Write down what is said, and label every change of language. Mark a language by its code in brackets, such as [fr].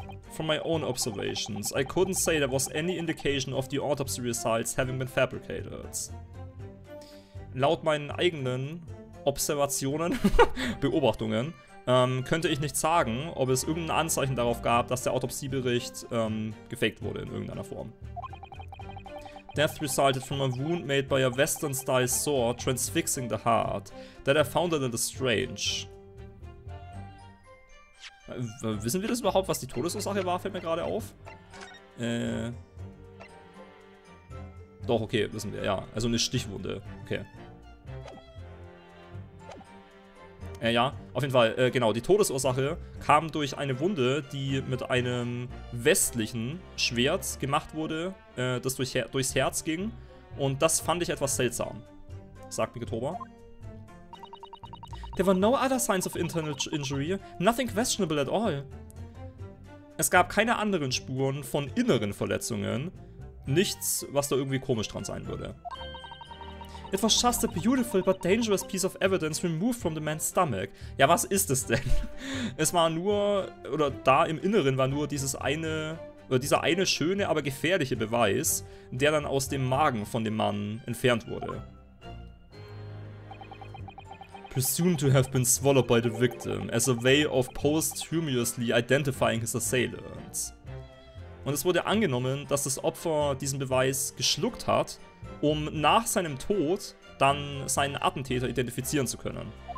[en] From my own observations, I couldn't say there was any indication of the autopsy results having been fabricated. [de] Laut meinen eigenen Observationen, Beobachtungen, könnte ich nicht sagen, ob es irgendein Anzeichen darauf gab, dass der Autopsiebericht gefaked wurde in irgendeiner Form. [en] Death resulted from a wound made by a western-style sword transfixing the heart, that I found a little strange. [de] Wissen wir das überhaupt, was die Todesursache war? Fällt mir gerade auf. Doch, okay, wissen wir, ja. Also eine Stichwunde, okay. Ja, auf jeden Fall, genau, die Todesursache kam durch eine Wunde, die mit einem westlichen Schwert gemacht wurde, das durchs Herz ging. Und das fand ich etwas seltsam, sagt Miketoba. [en] There were no other signs of internal injury, nothing questionable at all. [de] Es gab keine anderen Spuren von inneren Verletzungen, nichts, was da irgendwie komisch dran sein würde. [en] It was just a beautiful but dangerous piece of evidence removed from the man's stomach. [de] Ja, was ist es denn? Es war nur, oder da im Inneren war nur dieses eine, oder dieser eine schöne, aber gefährliche Beweis, der dann aus dem Magen von dem Mann entfernt wurde. [en] Presumed to have been swallowed by the victim as a way of posthumously identifying his assailant. [de] Und es wurde angenommen, dass das Opfer diesen Beweis geschluckt hat, um nach seinem Tod dann seinen Attentäter identifizieren zu können.